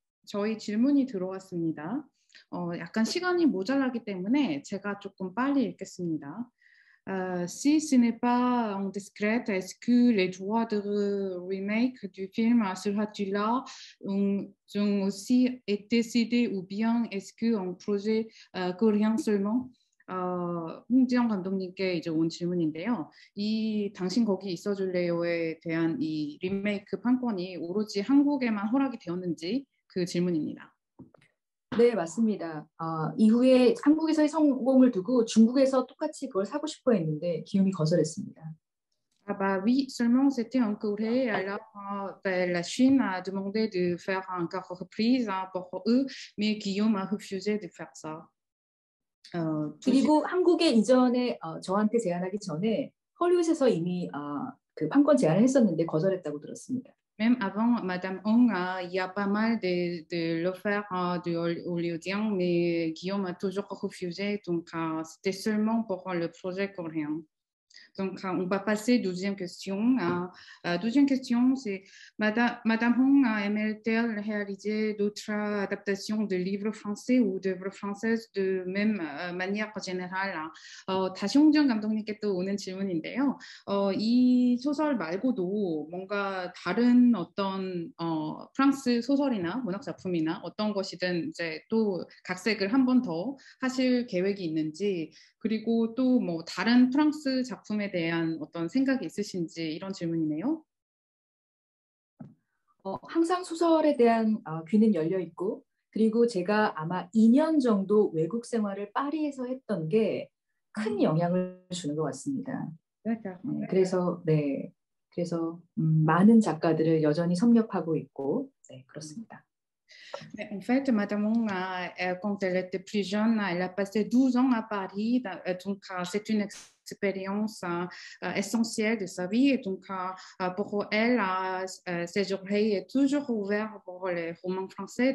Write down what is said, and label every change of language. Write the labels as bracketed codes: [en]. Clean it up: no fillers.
[ko] 저희 질문이 들어왔습니다. 약간 시간이 모자라기 때문에 제가 조금 빨리 읽겠습니다. [fr] Si ce n'est pas en discret, est-ce que les droits de remake du film Suratula ont aussi été décidés ou bien est-ce qu'un projet coréen seulement? [ko] 홍지영 감독님께 이제 온 질문인데요. 이 당신 거기 있어줄래요에 대한 이 리메이크 판권이 오로지 한국에만 허락이 되었는지 그 질문입니다. 네, 맞습니다. 이후에 한국에서의 성공을 두고 중국에서 똑같이 그걸 사고 싶어 했는데 기움이 거절했습니다. [fr] Bah oui, seulement c'était en Corée. Alors, la Chine a demandé de faire encore reprise pour eux, mais Guillaume a refusé de faire ça. [ko] 그리고 한국에 이전에 저한테 제안하기 전에 헐리우드에서 이미 그 판권 제안을 했었는데 거절했다고 들었습니다. [fr] Même avant, Madame Hong, il y a pas mal de l'offre de Hollywoodien, mais Guillaume a toujours refusé. Donc, c'était seulement pour le projet coréen. Donc, on va passer à la deuxième question. La deuxième question, c'est Madame Hong aimerait-elle réaliser d'autres adaptations de livres français ou d'œuvres françaises de même manière générale? [ko] 다시 홍지영 감독님께 또 오는 질문인데요. 이 소설 말고도 뭔가 다른 어떤 프랑스 소설이나 문학 작품이나 어떤 것이든 이제 또 각색을 한 번 더 하실 계획이 있는지 그리고 또 뭐 다른 프랑스 작품에 대한 어떤 생각이 있으신지 이런 질문이네요. 항상 소설에 대한 귀는 열려 있고 그리고 제가 아마 2년 정도 외국 생활을 파리에서 했던 게 큰 영향을 주는 것 같습니다. 그래서 많은 작가들을 여전히 섭렵하고 있고 네, 그렇습니다. [fr] Mais en fait, Madame Hong, quand elle était plus jeune, elle a passé 12 ans à Paris. Donc, c'est une expérience essentielle de sa vie. Et donc, pour elle, ses oreilles sont toujours ouvertes pour les romans français.